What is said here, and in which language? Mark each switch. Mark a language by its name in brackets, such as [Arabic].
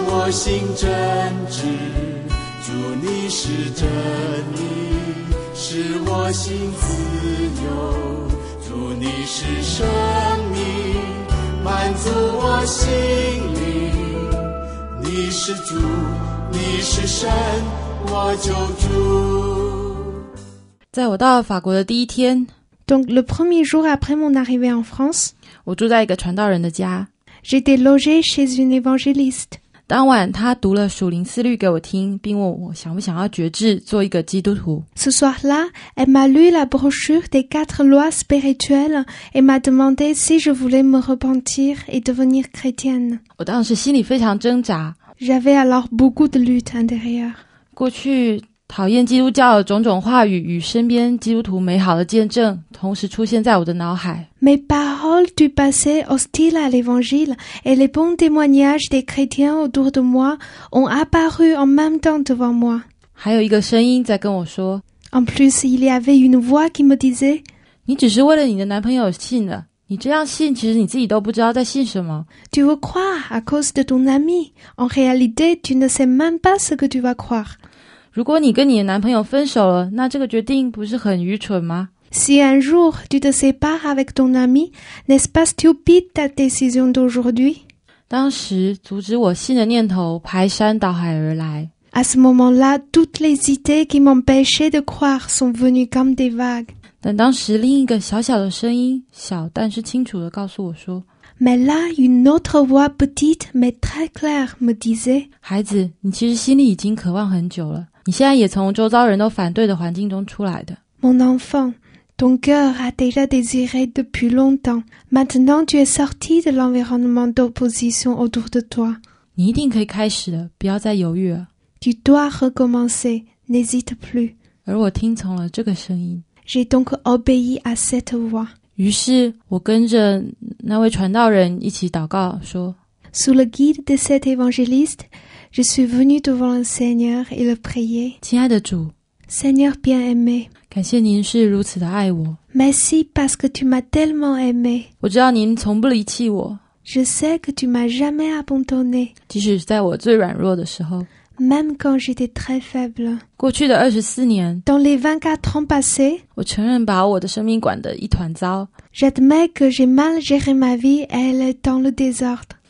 [Chinese] 心真挚，主你是真理，使我心自由，主你是生命，满足我心灵，你是主，你是神，我救主。在我到法国的第一天， [French] Donc le premier jour après mon arrivée en France, [Chinese] 我住在一个传道人的家。 [French] J'étais logé chez une évangéliste. [Chinese] 当晚他读了属灵思虑给我听，并问我想不想要觉知做一个基督徒。 [French] Ce soir là, elle m'a lu la brochure des quatre lois spirituelles et m'a demandé si je voulais me repentir et devenir chrétienne. [Chinese] 我当时心里非常挣扎。 [French] J'avais alors beaucoup de lutte intérieure. [Chinese] 过去讨厌基督教的种种话语与身边基督徒美好的见证同时出现在我的脑海。 [French] Mes paroles du passé hostiles à l'évangile et les bons témoignages des chrétiens autour de moi ont apparu en même temps devant moi. [Chinese] 还有一个声音在跟我说。 [French] En plus, il y avait une voix qui me disait, [Chinese] 你只是为了你的男朋友信的。你这样信其实你自己都不知道在信什么。 [French] Tu veux croire à cause de ton ami. En réalité, tu ne sais même pas ce que tu vas croire. [Chinese] 如果你跟你的男朋友分手了，那这个决定不是很愚蠢吗？ [French] Si un jour tu te sépares avec ton ami, n'est-ce pas stupide ta décision d'aujourd'hui? [Chinese] 当时阻止我信的念头排山倒海而来。 [French] À ce moment-là, toutes les idées qui m'empêchaient de croire sont venues comme des vagues. [Chinese] 但当时另一个小小的声音，小但是清楚地告诉我说。 [French] Mais là, une autre voix petite mais très claire me disait. [Chinese] 孩子，你其实心里已经渴望很久了。你现在也从周遭人都反对的环境中出来的。 [French] Mon enfant, ton cœur a déjà désiré depuis longtemps. Maintenant, tu es sorti de l'environnement d'opposition autour de toi. [Chinese] 你一定可以开始的，不要再犹豫了。 [French] Tu dois recommencer, n'hésite plus. [Chinese] 而我听从了这个声音。 [French] J'ai donc obéi à cette voix. [Chinese] 于是我跟着那位传道人一起祷告说。 [French] Sous le guide de cet évangéliste,Je suis venu devant le Seigneur et le prier. [Chinese] 亲爱的主 [French] Seigneur bien-aimé, [Chinese] 感谢您是如此的爱我 [French] Merci parce que tu m'as tellement aimé. [Chinese] 我知道您从不离弃我 [French] Je sais que tu m'as jamais abandonné. [Chinese] 即使在我最软弱的时候 [French] Même quand j'étais très faible. [Chinese] 过去的24年 [French] Dans les 24 ans passés, [Chinese] 我承认把我的生命管得一团糟 [French] J'admets que j'ai mal géré ma vie et elle est dans le désordre.